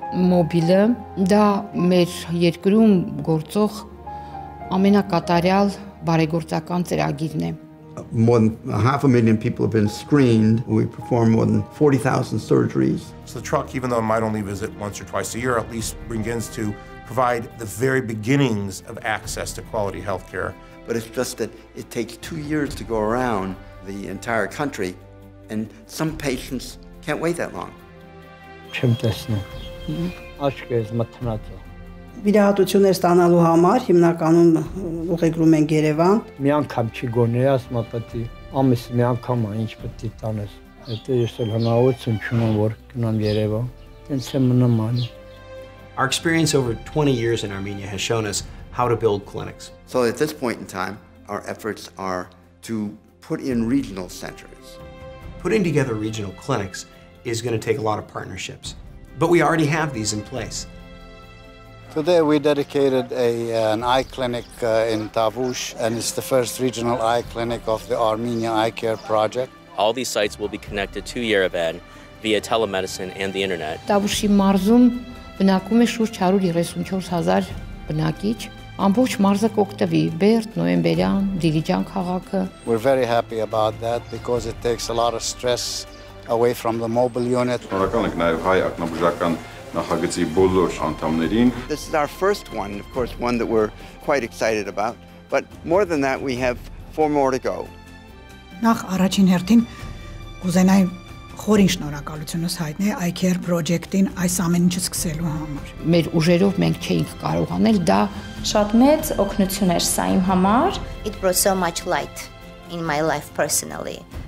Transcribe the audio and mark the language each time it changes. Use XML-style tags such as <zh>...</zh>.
<hy>Մոբիլը դա մեր երկրում գործող ամենակատարյալ բարեգործական ծրագիրն է։</hy> <en>More than half a million people have been screened. We perform more than 40,000 surgeries. So the truck, even though it might only visit once or twice a year, at least begins to provide the very beginnings of access to quality healthcare. But it's just that it takes 2 years to go around the entire country, and some patients can't wait that long.</en> <hy>Չեմ տեսնում։ Աչքերս մթնած է։ Վիրահատություններ ստանալու համար հիմնականում ուղեգրում են Երևան։ Մի անգամ չի գոնե, ասում է պետք ամիս մի անգամ է, ինչ պետք տանես։ Եթե ես էլ հնարավորություն չունեմ, որ գնամ Երևան, ինձ էլ մնամ անի։</hy> <en>Our experience over 20 years in Armenia has shown us how to build clinics. So at this point in time, our efforts are to put in regional centers. Putting together regional clinics is going to take a lot of partnerships, but we already have these in place. Today we dedicated an eye clinic in Tavush, and it's the first regional eye clinic of the Armenia Eye Care Project. All these sites will be connected to Yerevan via telemedicine and the internet.</en> <hy>Tavushi marzum bnakume shurch 134000 bnakich, ամբողջ մարզը կօգտվի Բերդ, Նոեմբերյան, Դիլիջան քաղաքը.</hy> <en>We're very happy about that because it takes a lot of stress away from the mobile unit.</en> <hy>Շնորհակալ ենք նաև հայ ակնաբուժական նախագծի բոլոր անդամներին.</hy> <en>This is our first one, of course, one that we're quite excited about, but more than that we have four more to go.</en> <hy>Նախ առաջին հերթին կուզենայի խորին շնորհակալությունս հայտնել iCare project-ին այս ամեն ինչը սկսելու համար։ Մեր ուժերով մենք չենք կարողանել, դա շատ մեծ օգնություն էր սա իմ համար.</hy> <en>It brought so much light in my life personally.</en>